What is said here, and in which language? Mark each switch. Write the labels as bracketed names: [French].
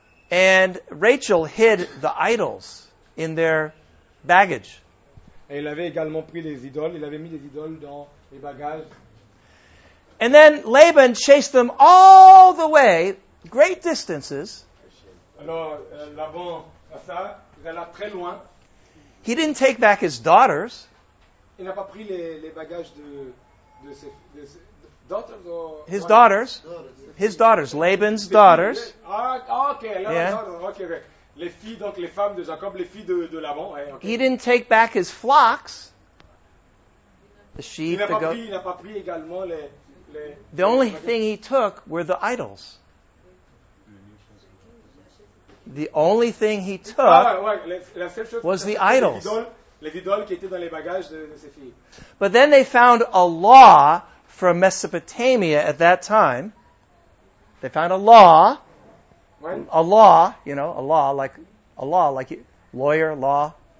[English] And Rachel hid the idols in their baggage. [French] Et il avait également pris les idoles. Il avait mis les idoles dans les bagages. [English] And then Laban chased them all the way, great distances. [French] Alors, Laban, ça, il allait très loin. [English] He didn't take back his daughters. [French] Il n'a pas pris les bagages de ses daughters. [English] Or his daughters. His daughters. Laban's daughters. Okay. [French] Les filles, donc les femmes de Jacob, les filles de Laban. [English] Okay. He didn't take back his flocks. The sheep, the goats. [French] Il n'a pas pris également les [English] the only thing he took were the idols. The only thing he took was the idols. [French] Les idoles qui étaient dans les bagages de ses filles. [English] But then they found a law from Mesopotamia at that time. They found a law. When? A law, you know, a law, like lawyer, law.